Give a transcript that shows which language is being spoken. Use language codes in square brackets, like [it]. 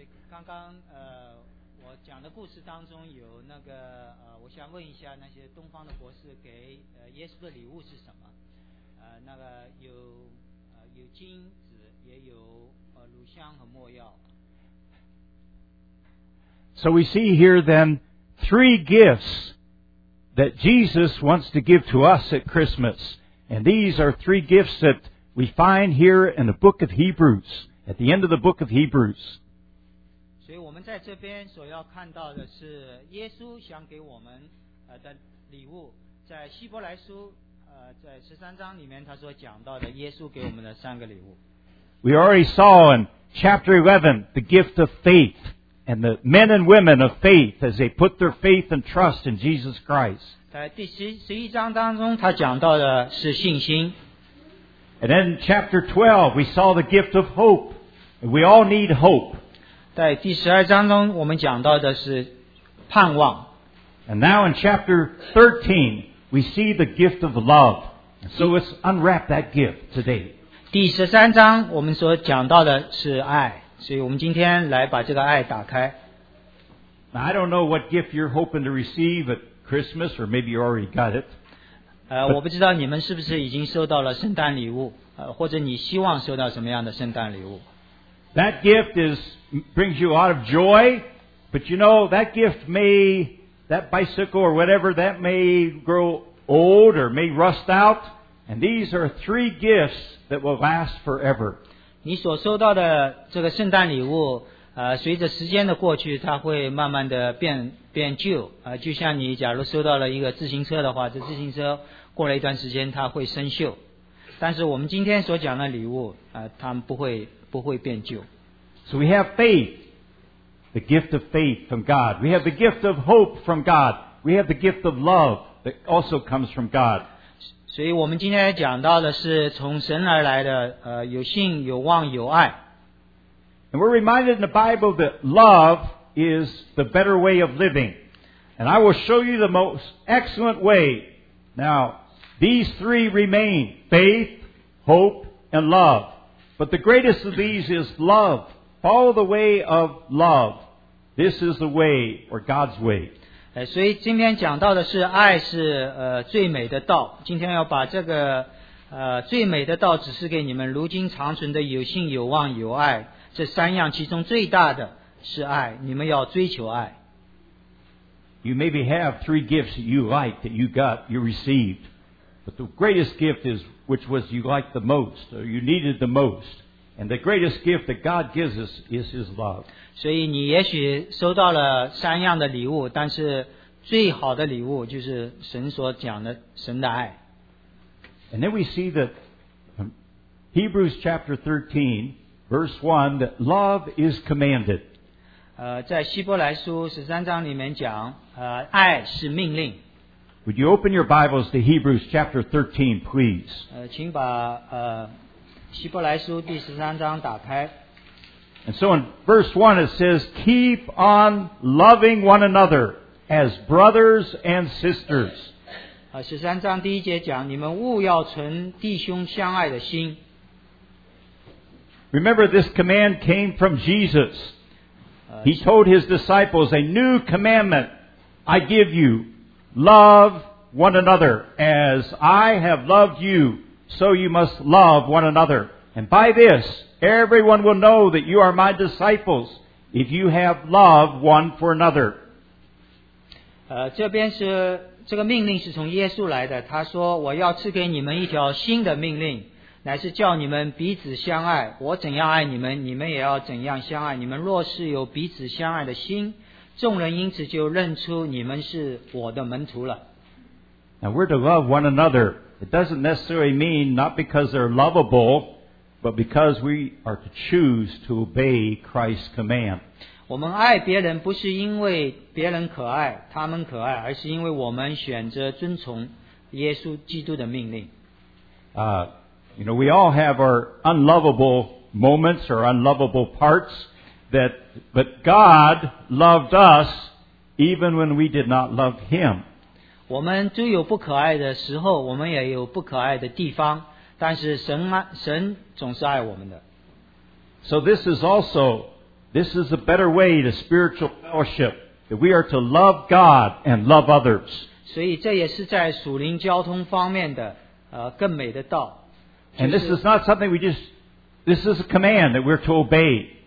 [zh] 刚刚我讲的故事当中有那个我想问一下那些东方的博士给耶稣的礼物是什么？那个有金子，也有乳香和没药。 [en] So we see here then three gifts that Jesus wants to give to us at Christmas. And these are three gifts that we find here in the book of Hebrews, at the end of the book of Hebrews. [zh] 所以我们在这边所要看到的是耶稣想给我们的礼物，在希伯来书在十三章里面他所讲到的耶稣给我们的三个礼物。 [en] We already saw in chapter 11 the gift of faith. And the men and women of faith as they put their faith and trust in Jesus Christ. [zh] 在第十一章当中他讲到的是信心。 [en] And then in chapter 12, we saw the gift of hope. And we all need hope. [zh] 在第十二章中我们讲到的是盼望。 [en] And now in chapter 13, we see the gift of love. So let's unwrap that gift today. [zh] 第十三章我们所讲到的是爱。所以我们今天来把这个爱打开。 [en] Now, I don't know what gift you're hoping to receive at Christmas, or maybe you already got it. [zh] 我不知道你们是不是已经收到了圣诞礼物，或者你希望收到什么样的圣诞礼物。 [en] That gift brings you a lot of joy, but you know, that bicycle or whatever, that may grow old or may rust out, and these are three gifts that will last forever. [zh] 你所收到的这个圣诞礼物随着时间的过去它会慢慢的变旧就像你假如收到了一个自行车的话这自行车过了一段时间它会生锈但是我们今天所讲的礼物它们不会变旧 [en] So we have faith the gift of faith from God we have the gift of hope from God we have the gift of love that also comes from God [zh] 所以我们今天讲到的是从神而来的有信有望有爱。 [en] And we're reminded in the Bible that love is the better way of living. And I will show you the most excellent way. Now, these three remain, faith, hope, and love. But the greatest of these is love. Follow the way of love. This is the way, or God's way. [zh] 所以今天讲到的是爱是最美的道今天要把这个最美的道指示给你们如今长存的有信有望有爱这三样其中最大的是爱你们要追求爱 [en] You maybe have three gifts that you like that you got, you received but the greatest gift is which was you liked the most or you needed the most and the greatest gift that God gives us is His love [zh] 所以你也许收到了三样的礼物但是最好的礼物就是神所讲的神的爱 [en] And then we see that Hebrews chapter 13 verse 1 that love is commanded [zh] 在希伯来书十三章里面讲爱是命令 [en] Would you open your Bibles to Hebrews chapter 13 please [zh] 请把希伯来书第十三章打开 [en] And so in verse 1 it says, Keep on loving one another as brothers and sisters. [zh] 十三章第一节讲你们务要存弟兄相爱的心。 [en] Remember this command came from Jesus. He told his disciples, A new commandment I give you, love one another as I have loved you, so you must love one another. And by this,Everyone will know that you are my disciples if you have love one for another. [zh] 这边是这个命令是从耶稣来的。他说：“我要赐给你们一条新的命令，乃是叫你们彼此相爱。我怎样爱你们，你们也要怎样相爱。你们若是有彼此相爱的心，众人因此就认出你们是我的门徒了。” [en] Now we're to love one another. It doesn't necessarily mean not because they're lovable. But because we are to choose to obey Christ's command. [zh] 我们爱别人不是因为别人可爱，他们可爱，而是因为我们选择遵从耶稣基督的命令。 [en] You know, we all have our unlovable moments or unlovable parts, but God loved us even when we did not love Him. [zh] 我们都有不可爱的时候，我们也有不可爱的地方。但是神总是爱我们的。 [en] So this is also, this is a better way to spiritual fellowship. that we are to love God and love others. [zh] 所以这也是在属灵交通方面的, 更美的道。 [en] And this is not something we just, this is a command that we're to obey.